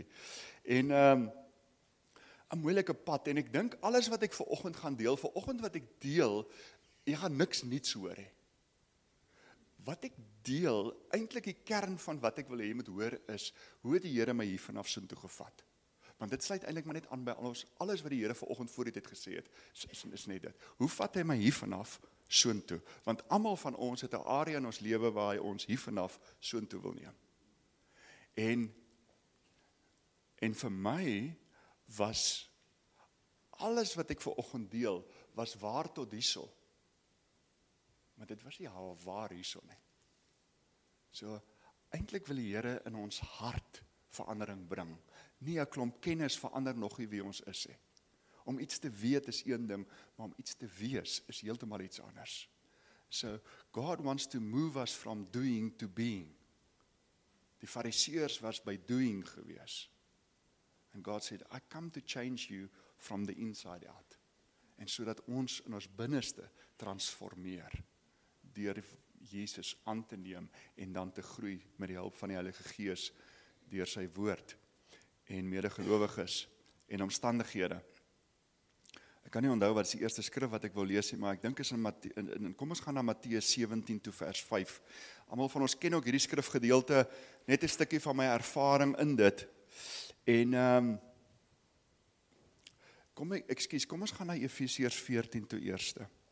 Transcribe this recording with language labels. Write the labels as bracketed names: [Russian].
[Afrikaans] En een moeilike pad, en ek dink, alles wat ek vanoggend gaan deel, vanoggend wat ek deel, jy gaan niks niets hoor. He. Wat ek deel, eintlik die kern van wat ek wil hê moet hoor, is, hoe het die Here my hier vanaf sin toe gevat? Want dit sluit eintlik maar net aan by alles, alles wat die Here vanoggend voor het gesê het, is net dit. Hoe vat hy my hier vanaf sin toe? Want allemaal van ons het 'n area in ons lewe waar hy ons hier vanaf sin toe wil neem. En vir my, was alles wat ek vanoggend deel, was waar tot hierso. Maar dit was nie waar hierso nie. So, eintlik wil die Here in ons hart verandering bring. Nie 'n klomp kennis verander nog nie wie ons is. Om iets te weet is een ding, maar om iets te wees is heeltemal iets anders. [English] So, God wants to move us from doing to being. [Afrikaans] Die fariseers was by doing gewees. [English] And God said, I come to change you from the inside out. [Afrikaans] En so dat ons in ons binneste transformeer, deur Jesus aan te neem, en dan te groei met die hulp van die Heilige Gees, deur sy woord, en medegelowiges, en omstandighede. Ek kan nie onthou wat is die eerste skrif wat ek wil lees, maar ek dink is kom ons gaan na Matteus 17 toe vers 5. Almal van ons ken ook hierdie skrifgedeelte, net een stukkie van my ervaring in dit, en kom ons gaan na Efesiërs 14 toe eerste.